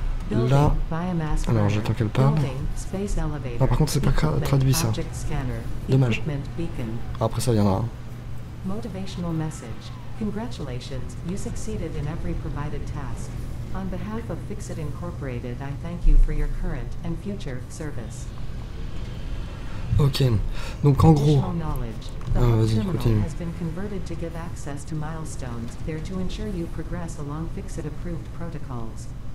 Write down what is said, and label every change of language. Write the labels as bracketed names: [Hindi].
[French] Là, alors j'attends qu'elle parle. Ah, par contre, c'est pas traduit ça. Dommage. Après ça viendra. [English] Motivational message. Congratulations, you succeeded in every provided task. On behalf of Fixit Incorporated, I thank you for your current and future service. [French] Ok, donc en gros, vas-y, continue. [English] Has been converted to give access to milestones there to ensure you progress along Fixit approved protocols.